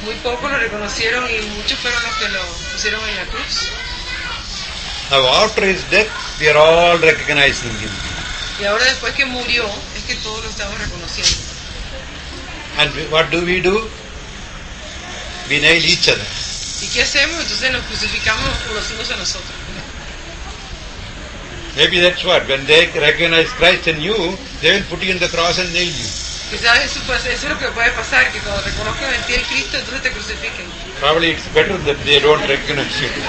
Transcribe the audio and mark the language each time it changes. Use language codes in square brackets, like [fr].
[es] Muy pocos lo reconocieron y muchos fueron los que lo pusieron en la cruz. [en] Now after his death, we are all recognizing him. [es] Y ahora después que murió, es que todos lo estamos reconociendo. [en] And what do? We nail each other. [es] ¿Y qué hacemos? Entonces nos crucificamos los unos a nosotros. [en] Maybe that's what. When they recognize Christ in you, they will put you in the cross and nail you. [es] Quizás eso es lo que puede pasar, que cuando reconozcan en ti el Cristo, entonces te crucifiquen. [en] Probably it's better that they don't recognize you.